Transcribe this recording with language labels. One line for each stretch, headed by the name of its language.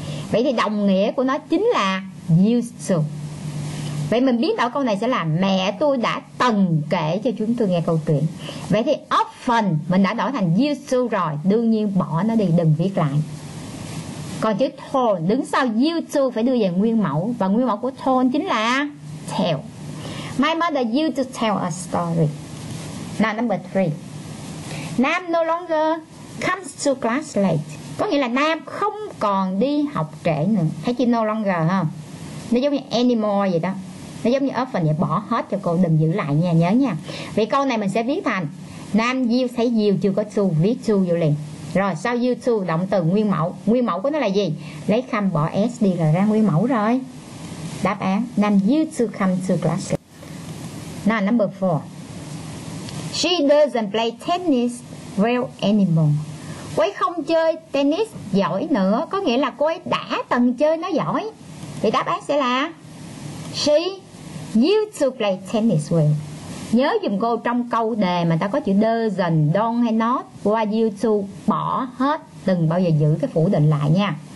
Vietnamese: Vậy thì đồng nghĩa của nó chính là used to. Vậy mình biến đổi câu này sẽ là mẹ tôi đã từng kể cho chúng tôi nghe câu chuyện. Vậy thì often mình đã đổi thành used to rồi, đương nhiên bỏ nó đi, đừng viết lại. Còn chữ told đứng sau used to phải đưa về nguyên mẫu, và nguyên mẫu của told chính là tell.
English: My mother used to tell a story. Now number 3. Nam no longer comes to class late.
Vietnamese: Có nghĩa là Nam không còn đi học trễ nữa. Thấy chữ no longer không? Nó giống như anymore vậy đó. Nó giống như often vậy, bỏ hết cho cô, đừng giữ lại nha, nhớ nha. Vậy câu này mình sẽ viết thành Nam you, thấy you chưa có to, viết to vô liền. Rồi sau you to, động từ nguyên mẫu. Nguyên mẫu của nó là gì? Lấy come bỏ s đi là ra nguyên mẫu rồi. Đáp án
English: Nam you to come to class. Now number 4. She doesn't play tennis well anymore.
Vietnamese: Cô ấy không chơi tennis giỏi nữa. Có nghĩa là cô ấy đã từng chơi nó giỏi. Thì đáp án sẽ là
English: she used to play tennis well.
Vietnamese: Nhớ giùm cô trong câu đề mà ta có chữ doesn't, don't hay not, qua used to bỏ hết, đừng bao giờ giữ cái phủ định lại nha.